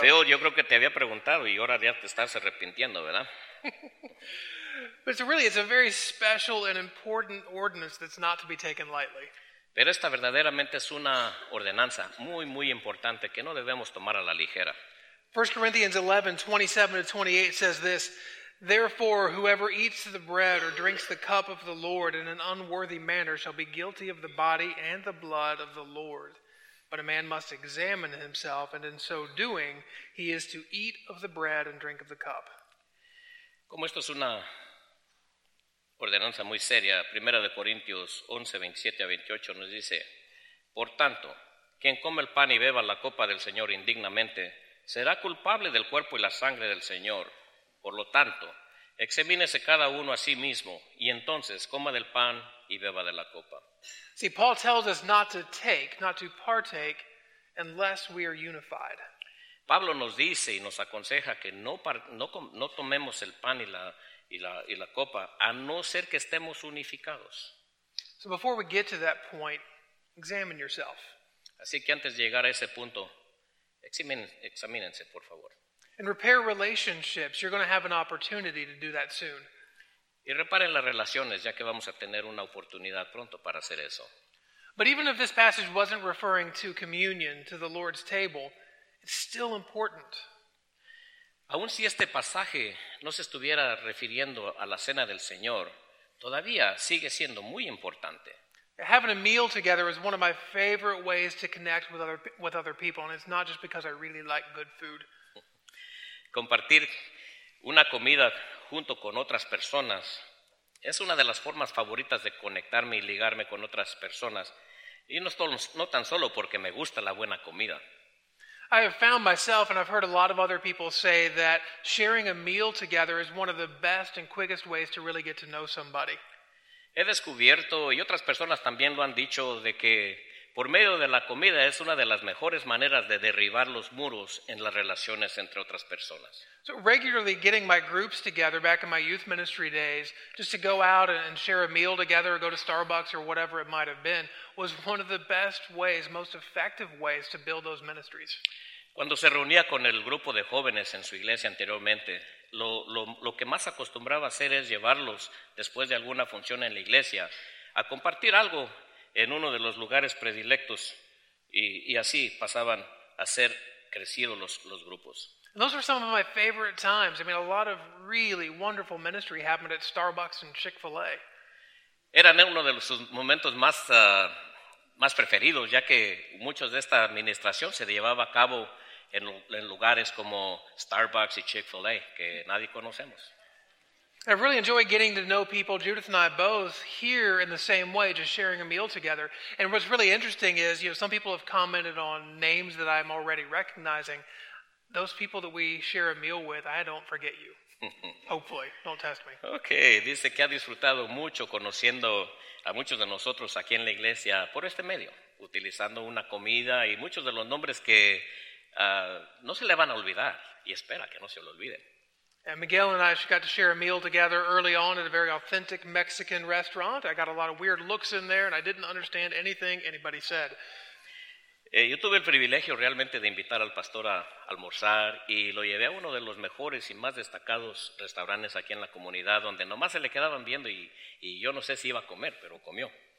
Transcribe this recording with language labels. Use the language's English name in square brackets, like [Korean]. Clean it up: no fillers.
[Spanish] Phil, yo creo que te había preguntado y ahora ya te estás arrepintiendo, ¿verdad? [English] But it's really, it's a very special and important ordinance that's not to be taken lightly. [Spanish] Pero esta verdaderamente es una ordenanza muy, muy importante que no debemos tomar a la ligera. [English] 1 Corinthians 11, 27-28 says this, "Therefore, whoever eats the bread or drinks the cup of the Lord in an unworthy manner shall be guilty of the body and the blood of the Lord. But a man must examine himself, and in so doing, he is to eat of the bread and drink of the cup." [Spanish] Como esto es una ordenanza muy seria, 1 Corintios 11, 27 a 28 nos dice, "Por tanto, quien come el pan y beba la copa del Señor indignamente será culpable del cuerpo y la sangre del Señor. Por lo tanto, examínese cada uno a sí mismo y entonces coma del pan y beba de la copa." [English] See, Paul tells us not to take, not to partake, unless we are unified. [Spanish] Pablo nos dice y nos aconseja que no tomemos el pan y la copa, a no ser que estemos unificados. [English] So before we get to that point, examine yourself. [Spanish] Así que antes de llegar a ese punto, examínense, por favor. [English] And repair relationships. You're going to have an opportunity to do that soon. [Spanish] Y reparen las relaciones, ya que vamos a tener una oportunidad pronto para hacer eso. [English] But even if this passage wasn't referring to communion, to the Lord's table, it's still important. [Spanish] Aun si este pasaje no se estuviera refiriendo a la cena del Señor, todavía sigue siendo muy importante. [English] Having a meal together is one of my favorite ways to connect with other people, and it's not just because I really like good food. [Spanish] Compartir una comida junto con otras personas Es una de las formas favoritas de conectarme y ligarme con otras personas. Y no tan solo porque me gusta la buena comida. [English] I have found myself, and I've heard a lot of other people say that sharing a meal together is one of the best and quickest ways to really get to know somebody. [Spanish] He descubierto, y otras personas también lo han dicho, de que por medio de la comida es una de las mejores maneras de derribar los muros en las relaciones entre otras personas. [English] So regularly getting my groups together back in my youth ministry days, just to go out and share a meal together or go to Starbucks or whatever it might have been, was one of the best ways, most effective ways to build those ministries. [Spanish] Cuando se reunía con el grupo de jóvenes en su iglesia anteriormente, lo que más acostumbraba a hacer es llevarlos después de alguna función en la iglesia a compartir algo en uno de los lugares predilectos y así pasaban a ser crecidos los grupos. [English] Those were some of my favorite times. I mean, a lot of really wonderful ministry happened at Starbucks and Chick-fil-A. [Spanish] Eran uno de los momentos más preferidos, ya que muchos de esta administración se llevaba a cabo en lugares como Starbucks y Chick-fil-A, que nadie conocemos. [English] I really enjoy getting to know people, Judith and I both, here in the same way, just sharing a meal together. And what's really interesting is, you know, some people have commented on names that I'm already recognizing. Those people that we share a meal with, I don't forget you. Hopefully, don't test me. [Spanish] Okay, dice que ha disfrutado mucho conociendo a muchos de nosotros aquí en la iglesia por este medio, utilizando una comida y muchos de los nombres que no se le van a olvidar y espera que no se lo olviden. [English] And Miguel and I got to share a meal together early on at a very authentic Mexican restaurant. I got a lot of weird looks in there and I didn't understand anything anybody said. [Spanish] Yo tuve el privilegio realmente de invitar al pastor a almorzar y lo llevé a uno de los mejores y más destacados restaurantes aquí en la comunidad donde nomás se le quedaban viendo y yo no sé si iba a comer, pero comió.